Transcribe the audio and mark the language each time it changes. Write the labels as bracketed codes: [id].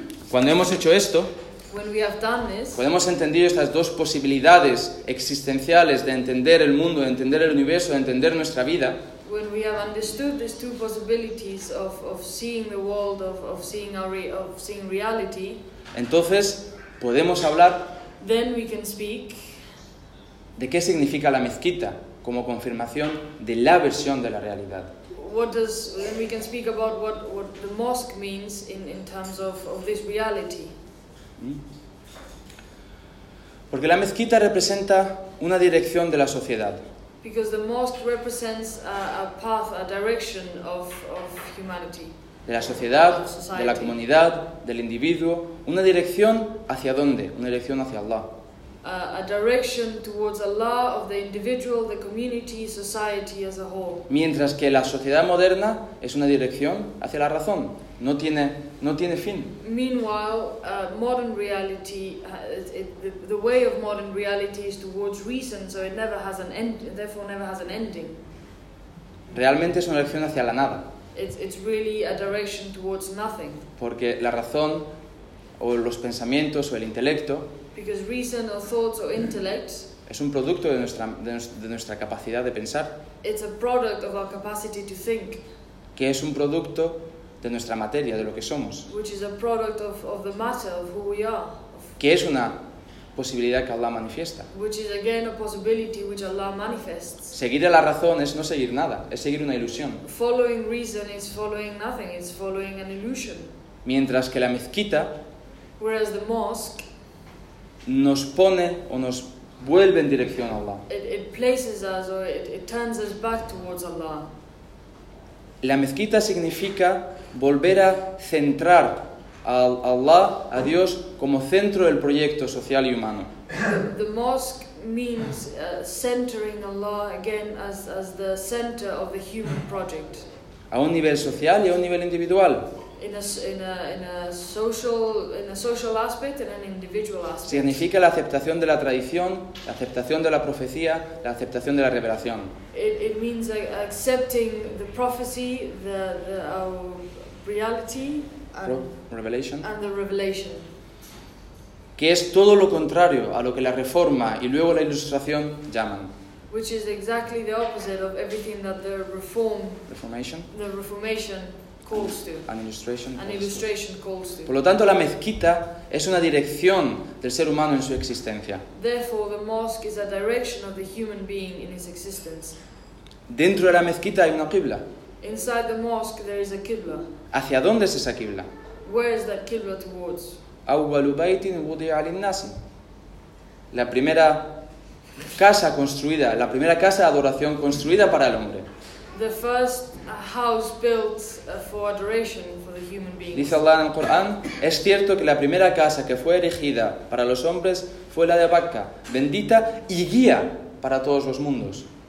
[es] Cuando hemos hecho esto, [en] when we have done this, [es] podemos entender estas dos posibilidades existenciales de entender el mundo, de entender el universo, de entender nuestra vida. [en] When we have understood these two possibilities of seeing the world, of seeing our of seeing reality, [es] entonces podemos hablar. [en] Then we can speak. [es] ¿De qué significa la mezquita como confirmación de la versión de la realidad? [en] What does then we can speak about what the mosque means in terms of this reality? [es] Porque la mezquita representa una dirección de la sociedad. [en] Because the mosque represents a path, a direction of humanity. [es] De la sociedad, de la comunidad, del individuo, una dirección hacia dónde? Una dirección hacia Allah. [en] A direction towards Allah of the individual, the community, society as a whole. [es] Mientras que la sociedad moderna es una dirección hacia la razón, no tiene fin. [en] Meanwhile, modern reality, the way of modern reality is towards reason, so it never has an end, therefore never has an ending. [es] Realmente es una dirección hacia la nada. [en] It's really a direction towards nothing. [es] Porque la razón o los pensamientos o el intelecto. [en] Because reason or thoughts or intellect [es] es un producto de nuestra capacidad de pensar. [en] It's a product of our capacity to think. [es] Que es un producto de nuestra materia, de lo que somos. [en] Which is a product of the matter of who we are. [es] Que es una posibilidad que Allah manifiesta. [en] Which is again a possibility which Allah manifests. [es] Seguir a la razón es no seguir nada, es seguir una ilusión. [en] Following reason is following nothing, it's following an illusion. [es] Mientras que la mezquita, [en] whereas the mosque, [es] nos pone o nos vuelve en dirección a Allah. [en] It places us or it turns us back towards Allah. [es] La mezquita significa volver a centrar a Allah, a Dios, como centro del proyecto social y humano. [en] The mosque means centering Allah again as the center of the human project. [es] A un nivel social y a un nivel individual. [en] In a social aspect and an individual aspect. [es] Significa la aceptación de la tradición, la aceptación de la profecía, la aceptación de la revelación. [en] It means accepting the prophecy, the reality and revelation. And the revelation. [es] Que es todo lo contrario a lo que la Reforma y luego la Ilustración llaman. [en] Which is exactly the opposite of everything that the Reformation calls to. [es] Por lo tanto, la mezquita es una dirección del ser humano en su existencia. [en] Therefore, the mosque is a direction of the human being in his existence. [es] Dentro de la mezquita hay una qibla. [en] Inside the mosque there is a qibla. [es] ¿Hacia dónde es esa qibla? [en] Where is that qibla towards? [ar] Awwalu baytin wudi'a lin-nas. [es] La primera casa construida, la primera casa de adoración construida para el hombre. [en] The first house built for adoration for the human beings. [es] Dice Allah en el Corán, es cierto que la primera casa que fue erigida para los hombres fue la de Bakka, bendita y guía para todos los mundos.